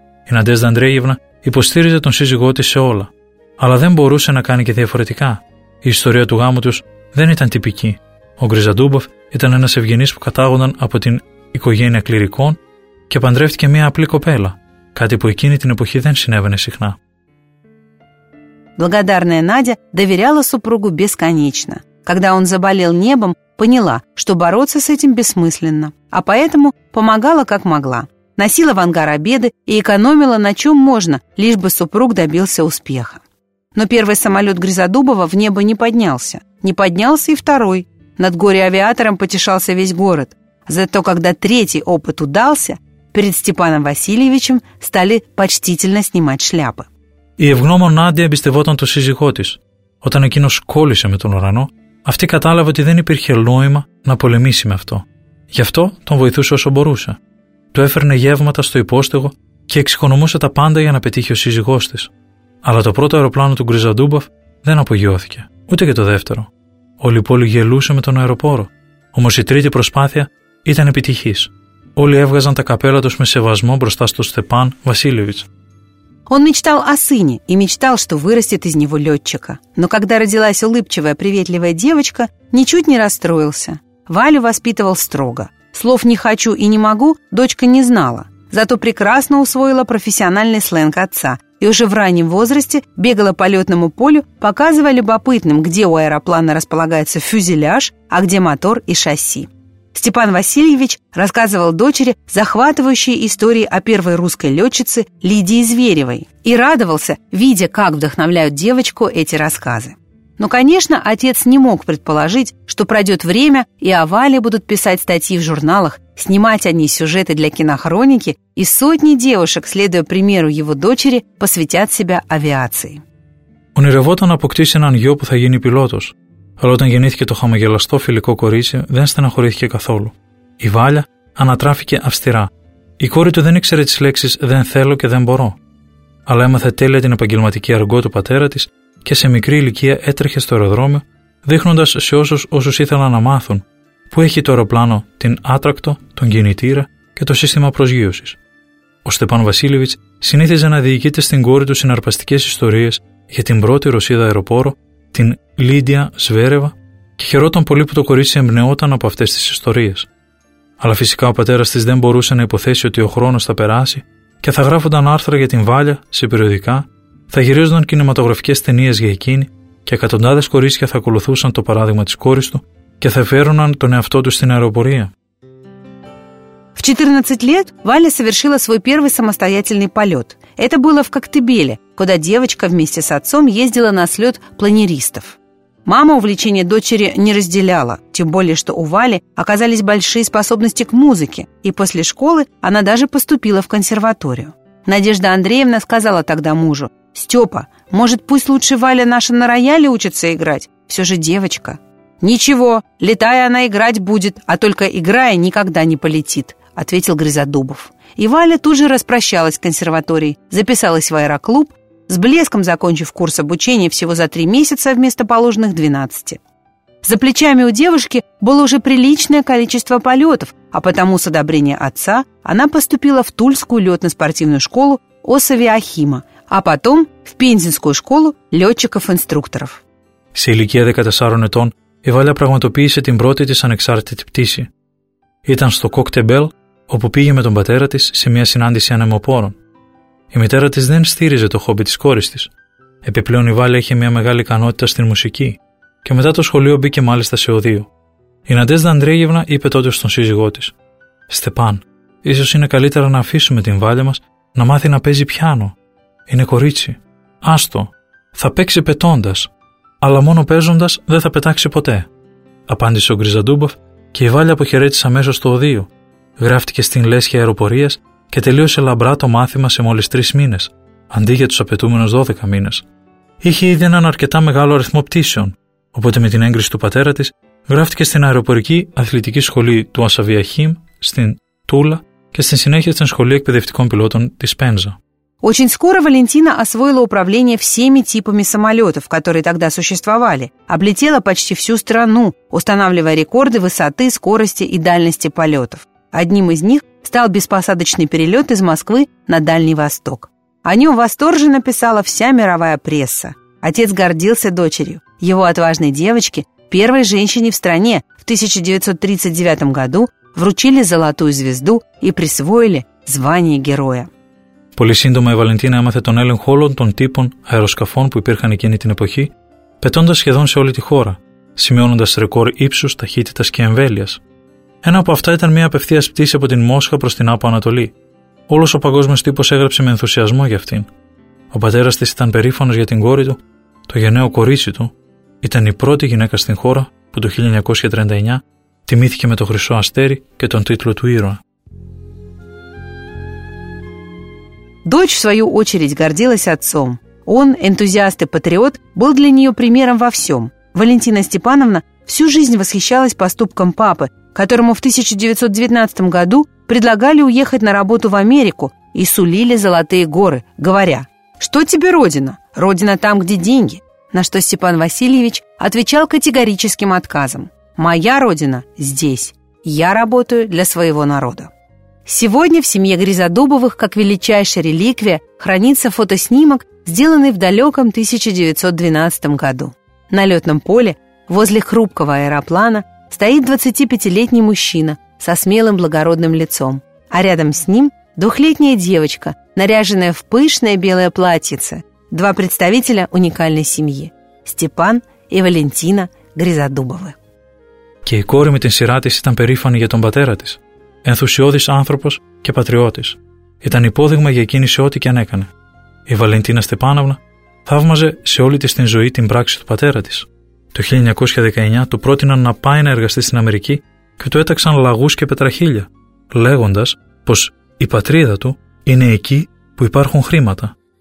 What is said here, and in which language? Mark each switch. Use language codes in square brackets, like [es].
[el] Η Ναντέζδα Αντρέγευνα υποστήριζε τον σύζυγό της σε όλα, αλλά δεν μπορούσε να κάνει και διαφορετικά. Η ιστορία του γάμου τους δεν ήταν τυπική. Ο Γκριζαντούμποφ ήταν ένας ευγενής που κατάγονταν από την οικογένεια κληρικών και παντρεύτηκε μία απλή κοπέλα, κάτι που εκείνη την εποχή δεν συνέβαινε συχνά. [ru] Благодарная Надя доверяла супругу бесконечно. Когда он заболел небом, поняла, что бороться с этим бессмысленно, а поэтому помогала как могла. Носила в ангар обеды и экономила на чем можно, лишь бы супруг добился успеха. Но первый самолет Грязодубова в небо не поднялся. Не поднялся и второй. Над горе-авиатором потешался весь город. Зато когда третий опыт удался, перед Степаном Васильевичем стали почтительно снимать шляпы. [el] Η ευγνώμων Νάντια εμπιστευόταν τον σύζυγό της. Όταν εκείνος κόλλησε με τον ουρανό, αυτή κατάλαβε ότι δεν υπήρχε νόημα να πολεμήσει με αυτό. Γι' αυτό τον βοηθούσε όσο μπορούσε. Του έφερνε γεύματα στο υπόστεγο και εξοικονομούσε τα πάντα για να πετύχει ο σύζυγός της. Αλλά το πρώτο αεροπλάνο του Γκριζαντούμποφ δεν απογειώθηκε. Ούτε και το δεύτερο. Όλη η πόλη γελούσε με τον αεροπόρο. Όμως η τρίτη προσπάθεια ήταν επιτυχής. Όλοι έβγαζαν τα καπέλα τους με σεβασμό μπροστά στον Στεπάν Βασίλεβιτς. [ru] Он мечтал о сыне и мечтал, что вырастет из него летчика. Но когда родилась улыбчивая, приветливая девочка, ничуть не расстроился. Валю воспитывал строго. Слов «не хочу» и «не могу» дочка не знала. Зато прекрасно усвоила профессиональный сленг отца. И уже в раннем возрасте бегала по летному полю, показывая любопытным, где у аэроплана располагается фюзеляж, а где мотор и шасси. Степан Васильевич рассказывал дочери захватывающие истории о первой русской летчице Лидии Зверевой и радовался, видя, как вдохновляют девочку эти рассказы. Но, конечно, отец не мог предположить, что пройдет время, и о Вале будут писать статьи в журналах, снимать о ней сюжеты для кинохроники, и сотни девушек, следуя примеру его дочери, посвятят себя авиации. Он [el] ονειρευόταν αποκτήσει έναν γιο που θα γίνει πιλότος. Αλλά όταν γεννήθηκε το χαμογελαστό φιλικό κορίτσι, δεν στεναχωρήθηκε καθόλου. Η Βάλια ανατράφηκε αυστηρά. Η κόρη του δεν ήξερε τις λέξεις «δεν θέλω» και «δεν μπορώ». Αλλά έμαθε τέλεια την επαγγελματική αργό του πατέρα της και σε μικρή ηλικία έτρεχε στο αεροδρόμιο, δείχνοντας σε όσους ήθελαν να μάθουν που έχει το αεροπλάνο την άτρακτο, τον κινητήρα και το σύστημα προσγείωσης. Ο Στεπάν Βασίλεβιτς συνήθιζε να διηγείται στην κόρη του συναρπαστικές ιστορίες για την πρώτη Ρωσίδα αεροπόρο, την Λίδια Σβέρεβα, και χαιρόταν πολύ που το κορίτσι εμπνεόταν από αυτές τις ιστορίες. Αλλά φυσικά ο πατέρας της δεν μπορούσε να υποθέσει ότι ο χρόνος θα περάσει και θα γράφονταν άρθρα για την Βάλια σε περιοδικά, θα γυρίζονταν κινηματογραφικές ταινίες για εκείνη και εκατοντάδες κορίτσια θα ακολουθούσαν το παράδειγμα της κόρης του και θα φέρουναν τον εαυτό του στην αεροπορία. [ru] В 14 лет Валя совершила свой первый самостоятельный полет. Это было в Коктебеле, куда девочка вместе с отцом ездила на слет планеристов. Мама увлечение дочери не разделяла, тем более, что у Вали оказались большие способности к музыке, и после школы она даже поступила в консерваторию. Надежда Андреевна сказала тогда мужу: «Степа, может, пусть лучше Валя наша на рояле учится играть? Все же девочка». «Ничего, летая она играть будет, а только играя никогда не полетит», – ответил Грязодубов. И Валя тут же распрощалась с консерваторией, записалась в аэроклуб, с блеском закончив курс обучения всего за 3 месяца вместо положенных 12. За плечами у девушки было уже приличное количество полетов, а потому с одобрения отца она поступила в Тульскую летно-спортивную школу Осави Ахима, а потом в Пензенскую школу летчиков-инструкторов. [el] Σε ηλικία 14 ετών η Βάλια πραγματοποίησε την πρώτη της ανεξάρτητη πτήση. Ήταν στο Κοκτεμπέλ, όπου πήγε με τον πατέρα της σε μια συνάντηση ανεμοπόρων. Η μητέρα της δεν στήριζε το χόμπι της κόρης της. Επιπλέον η Βάλια είχε μια μεγάλη ικανότητα στην μουσική και μετά το σχολείο μπήκε μάλιστα σε οδείο. Η Νατέζδα Ανδρέγευνα είπε τότε στον σύζυγό της: «Στεπάν, ίσως είναι καλύτερα να αφήσουμε την Βάλια μας να μάθει να παίζει πιάνο. Είναι κορίτσι. Άστο. Θα παίξει πετώντας. Αλλά μόνο παίζοντας δεν θα πετάξει ποτέ», απάντησε ο Γκριζαντούμποφ και η Βάλια αποχαιρέτησε αμέσως το οδείο. Γράφτηκε στην Λέσχη Αεροπορίας και τελείωσε λαμπρά το μάθημα σε μόλις 3 μήνες, αντί για τους απαιτούμενους 12 μήνες. Είχε ήδη έναν αρκετά μεγάλο αριθμό πτήσεων, οπότε με την έγκριση του πατέρα της γράφτηκε στην Αεροπορική Αθλητική Σχολή του Ασαβί Αχίμ, στην Τούλα και στη συνέχεια στην Σχολή Εκπαιδευτικών Πιλότων της Πένζα. [ru] Очень скоро Валентина освоила управление всеми типами самолетов, которые тогда существовали, облетела почти всю страну, устанавливая рекорды высоты, скорости и дальности полетов. Одним из них стал беспосадочный перелет из Москвы на Дальний Восток. О нем восторженно писала вся мировая пресса. Отец гордился дочерью. Его отважной девочке, первой женщине в стране, в 1939 году вручили золотую звезду и присвоили звание героя. [el] Πολύ σύντομα η Βαλεντίνα έμαθε τον έλεγχο όλων των τύπων αεροσκαφών που υπήρχαν εκείνη την εποχή, πετώντας σχεδόν σε όλη τη χώρα, σημειώνοντας ρεκόρ ύψους, ταχύτητας και εμβέλειας. Ένα από αυτά ήταν μια απευθείας πτήση από την Μόσχα προς την Άπο Ανατολή. Όλος ο παγκόσμιος τύπος έγραψε με ενθουσιασμό για αυτήν. Ο πατέρας της ήταν περήφανος για την κόρη του, το γενναίο κορίτσι του, ήταν η πρώτη γυναίκα στην χώρα που το 1939 τιμήθηκε με το Χρυσό Αστέρι και τον τίτλο του Ήρωα. [ru] Дочь, в свою очередь, гордилась отцом. Он, энтузиаст и патриот, был для нее примером во всем. Валентина Степановна всю жизнь восхищалась поступком папы, которому в 1919 году предлагали уехать на работу в Америку и сулили золотые горы, говоря: «Что тебе родина? Родина там, где деньги». На что Степан Васильевич отвечал категорическим отказом: «Моя родина здесь. Я работаю для своего народа». Сегодня в семье Грязодубовых, как величайшая реликвия, хранится фотоснимок, сделанный в далеком 1912 году. На летном поле, возле хрупкого аэроплана, стоит 25-летний мужчина со смелым благородным лицом. А рядом с ним 2-летняя девочка, наряженная в пышное белое платьице. 2 представителя уникальной семьи – Степан и Валентина Грязодубовы. [el] Και η κόρη με την σειρά της ήταν περήφανη για τον πατέρα της. Ενθουσιώδης άνθρωπος και πατριώτης. Ήταν υπόδειγμα για εκείνη σε ό,τι και αν έκανε. Η Βαλεντίνα Στεπάνοβνα θαύμαζε σε όλη της την ζωή την πράξη του πατέρα της. Το 1919 του πρότειναν να πάει να εργαστεί στην Αμερική και του έταξαν λαγούς και πετραχίλια, λέγοντας πως η πατρίδα του είναι εκεί που υπάρχουν χρήματα.